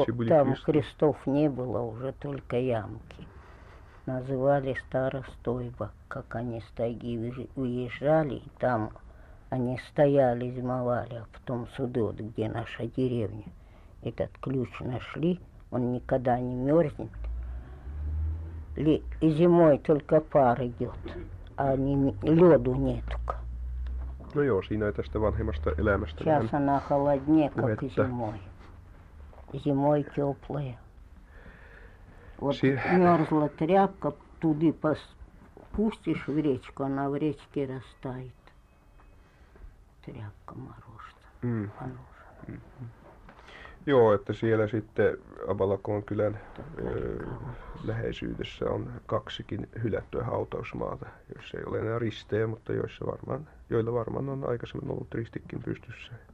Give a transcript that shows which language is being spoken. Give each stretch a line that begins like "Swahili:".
Russian: Там крестов не было, уже только ямки. Называли старостойба, как они с тайги уезжали, и там они стояли, зимовали, а потом сюда, вот, где наша деревня. Этот ключ нашли, он никогда не мерзнет. И зимой только пар идет, а леду нету.
Finnish: Ну joo, siinä tästä vanhemmasta elämästä.
Russian: Сейчас она холоднее, как puhetta. Зимой. Зимой теплая. Вот мерзла тряпка, туда пустишь в речку, она в речке растает. Тряпка морожена.
Finnish: Joo, että siellä sitten Abalakon kylän läheisyydessä on kaksikin hylättyä hautausmaata, joissa ei ole enää ristejä, mutta joilla varmaan on aikaisemmin ollut ristikin pystyssä.